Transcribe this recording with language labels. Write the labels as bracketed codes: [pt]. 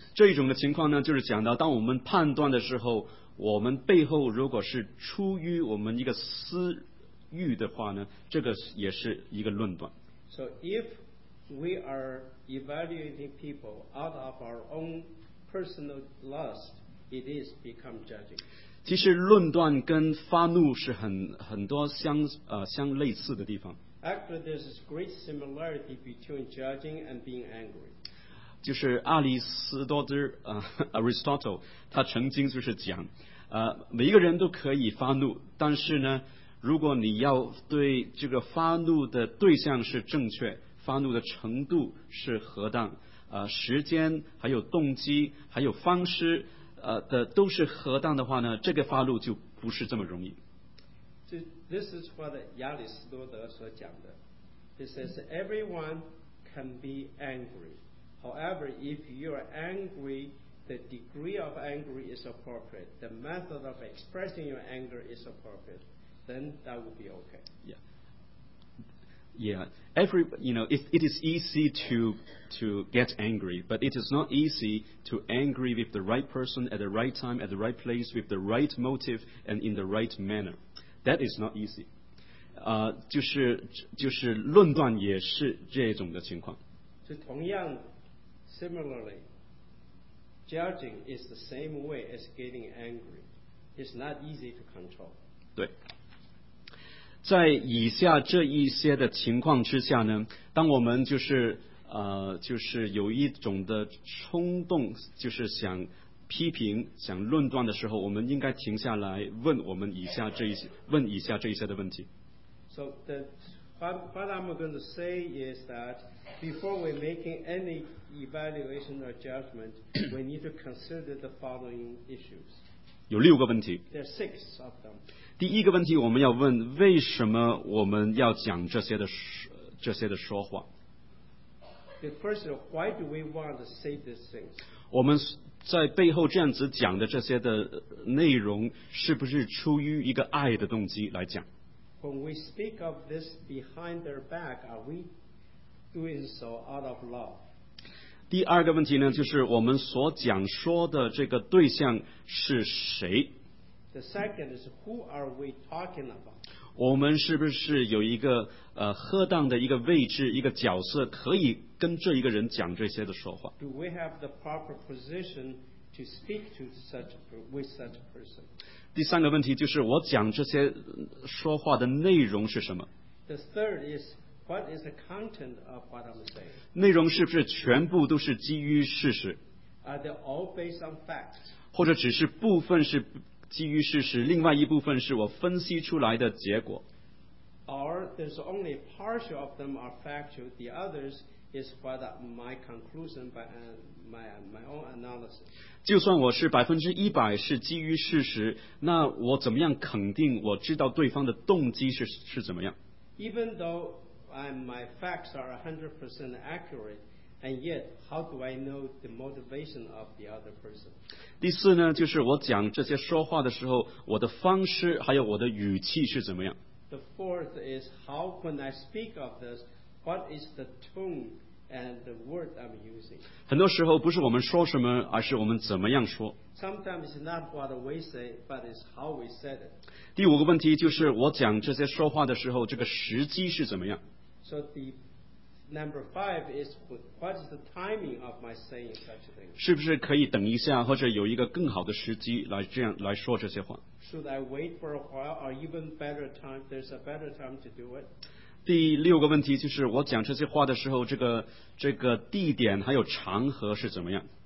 [zh] 这一种的情况呢，就是讲到当我们判断的时候，我们背后如果是出于我们一个私欲的话呢，这个也是一个论断。 [en] So if we are evaluating people out of our ownpersonal lust, it is become judging. [zh] 其实论断跟发怒是很多相类似的地方。 [en] Actually, there's a great similarity between judging and being angry. [zh] 就是阿里斯多德Aristotle, 他曾经就是讲每一个人都可以发怒，但是呢，如果你要对这个发怒的对象是正确，发怒的程度是合当。时间还有动机还有方式的都是合当的话呢，这个发怒就不是这么容易。 [en] This is what [zh] 亚里士多德所讲的。 [en] He says everyone can be angry. However, if you are angry, the degree of anger is appropriate. The method of expressing your anger is appropriate. Then that would be okay. Yeah. Yeah. Every, you know, it is easy to get angry, but it is not easy to angry with the right person at the right time, at the right place, with the right motive, and in the right manner. That is not easy. [zh] 就是论断也是这种的情况。 [en] So, 同样 similarly, judging is the same way as getting angry. It's not easy to control. [zh] 对。在以下这一些的情况之下呢，当我们就是有一种的冲动，就是想批评、想论断的时候，我们应该停下来问我们以下这一些，问以下这一些的问题。 [en] So what I'm going to say is that before we're making any evaluation or judgment, we need to consider the following issues. [zh] 有六个问题。 [en] There are six of them. [zh] 第一个问题我们要问，为什么我们要讲这些的说话？ [en] The first, why do we want to say these things? [zh] 我们在背后这样子讲的这些的内容，是不是出于一个爱的动机来讲？ [en] When we speak of this behind their back, are we doing so out of love? [zh] 第二个问题呢，就是我们所讲说的这个对象是谁？ [en] The second is who are we talking about? [zh] 我们是不是有一个恰当的一个位置，一个角色，可以跟这一个人讲这些的说话？ [en] Do we have the proper position to speak to such with such a person? [zh] 第三个问题就是我讲这些说话的内容是什么？ [en] The third is what is the content of what I'm saying? [zh] 内容是不是全部都是基于事实？ [en] Are they all based on facts? [zh] 或者只是部分是基于事实，另外一部分是我分析出来的结果？ [en] Or there's only partial of them are factual, the others is what my conclusion by my own analysis. [zh] 就算我是100%是基于事实，那我怎么样肯定我知道对方的动机是怎么样？ [en] Even though my facts are 100% accurate, and yet how do I know the motivation of the other person? [zh] 第四呢，就是我讲这些说话的时候，我的方式还有我的语气是怎么样？ [en] The fourth is how when I speak of this,What is the tone and the word I'm using? [zh] 很多时候不是我们说什么，而是我们怎么样说。 [en] Sometimes it's not what we say, but it's how we said it. [zh] 第五个问题就是我讲这些说话的时候，这个时机是怎么样。 [en] So the number five is what is the timing of my saying such things? [zh] 是不是可以等一下，或者有一个更好的时机来这样来说这些话？ [en] Should I wait for a while, or even better time? There's a better time to do it. [zh] 第六个问题就是我讲这些话的时候，这个地点还有场合是怎么样？